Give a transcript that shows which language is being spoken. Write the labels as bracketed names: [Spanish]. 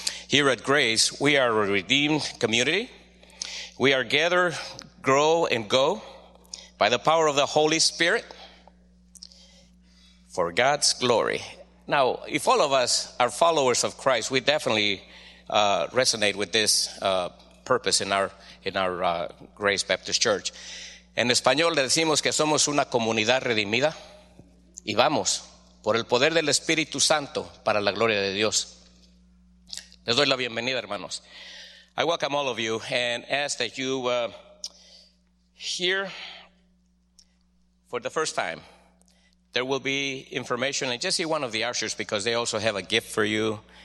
[English] Here at Grace, we are a redeemed community. We are gather, grow, and go by the power of the Holy Spirit for God's glory. Now, if all of us are followers of Christ, we definitely resonate with this purpose in our Grace Baptist Church. [Spanish] En español le decimos que somos una comunidad redimida y vamos por el poder del Espíritu Santo para la gloria de Dios. Les doy la bienvenida, hermanos. [English] I welcome all of you and ask that you hear for the first time. There will be information, and just see one of the ushers because they also have a gift for you.